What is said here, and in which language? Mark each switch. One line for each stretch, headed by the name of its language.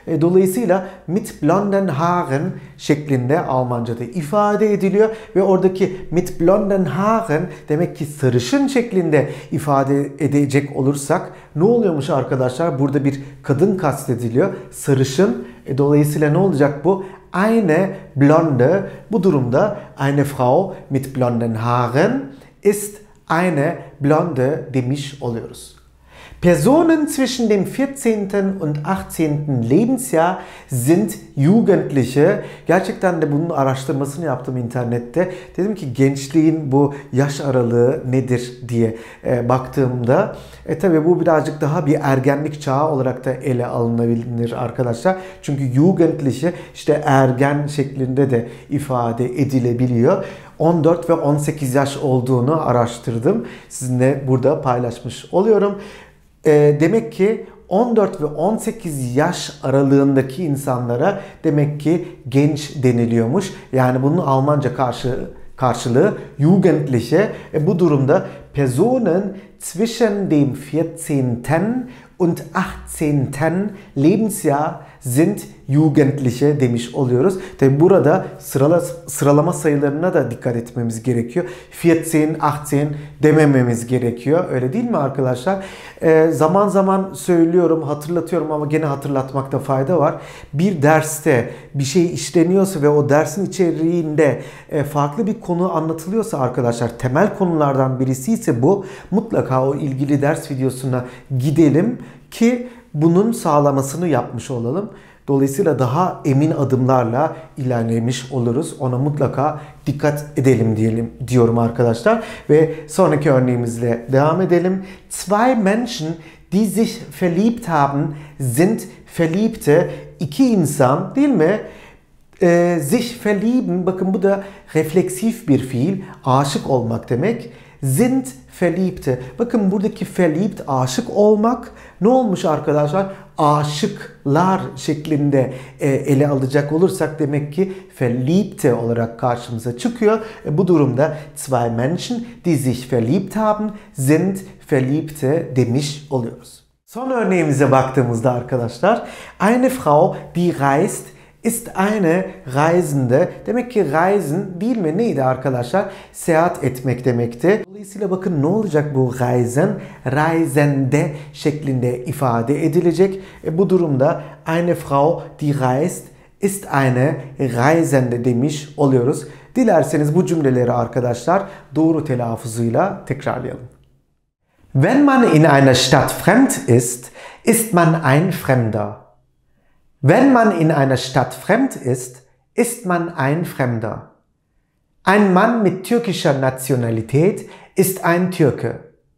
Turkish: Dolayısıyla
German: mit blonden Haaren
Turkish: şeklinde Almanca'da ifade ediliyor. Ve oradaki
German: mit blonden Haaren
Turkish: demek ki sarışın şeklinde ifade edecek olursak ne oluyormuş arkadaşlar? Burada bir kadın kastediliyor. Sarışın. Dolayısıyla ne olacak bu?
German: Eine blonde,
Turkish: bu durumda
German: eine Frau mit blonden Haaren ist eine blonde
Turkish: demiş oluyoruz.
German: Personen zwischen dem 14. und 18. Lebensjahr sind Jugendliche.
Turkish: Gerçekten de bunun araştırmasını yaptım internette. Dedim ki gençliğin bu yaş aralığı nedir diye baktığımda. Tabii bu birazcık daha bir ergenlik çağı olarak da ele alınabilir arkadaşlar. Çünkü Jugendliche işte ergen şeklinde de ifade edilebiliyor. 14 ve 18 yaş olduğunu araştırdım. Sizinle burada paylaşmış oluyorum. Demek ki 14 ve 18 yaş aralığındaki insanlara demek ki genç deniliyormuş. Yani bunun Almanca karşılığı Jugendliche. Bu durumda
German: Personen zwischen dem 14. und 18. Lebensjahr sind Jugendliche
Turkish: demiş oluyoruz. Tabi burada sıralama sayılarına da dikkat etmemiz gerekiyor. 14, 18 demememiz gerekiyor. Öyle değil mi arkadaşlar? Zaman zaman söylüyorum, hatırlatıyorum ama gene hatırlatmakta fayda var. Bir derste bir şey işleniyorsa ve o dersin içeriğinde farklı bir konu anlatılıyorsa arkadaşlar, temel konulardan birisi ise bu, mutlaka o ilgili ders videosuna gidelim ki bunun sağlamasını yapmış olalım. Dolayısıyla daha emin adımlarla ilerlemiş oluruz. Ona mutlaka dikkat edelim diyelim diyorum arkadaşlar. Ve sonraki örneğimizle devam edelim.
German: Zwei Menschen, die sich verliebt haben, sind verliebte.
Turkish: İki insan, değil mi?
German: Sich verlieben,
Turkish: bakın bu da refleksif bir fiil. Aşık olmak demek.
German: Sind verliebte.
Turkish: Bakın buradaki verliebt, aşık olmak. Ne olmuş arkadaşlar? Aşıklar şeklinde ele alacak olursak demek ki verliebte olarak karşımıza çıkıyor. Bu durumda
German: zwei Menschen, die sich verliebt haben, sind verliebte
Turkish: demiş oluyoruz. Son örneğimize baktığımızda arkadaşlar,
German: eine Frau, die reist, ist eine Reisende.
Turkish: Demek ki reisen değil mi? Neydi arkadaşlar? Seyahat etmek demekti. Dolayısıyla bakın ne olacak bu reisen? Reisende şeklinde ifade edilecek. Bu durumda
German: eine Frau, die reist, ist eine Reisende
Turkish: demiş oluyoruz. Dilerseniz bu cümleleri arkadaşlar doğru telaffuzuyla tekrarlayalım.
German: Wenn man in einer Stadt fremd ist, ist man ein Fremder. Wenn man in einer Stadt fremd ist, ist man ein Fremder. Ein Mann mit türkischer Nationalität ist ein Türke.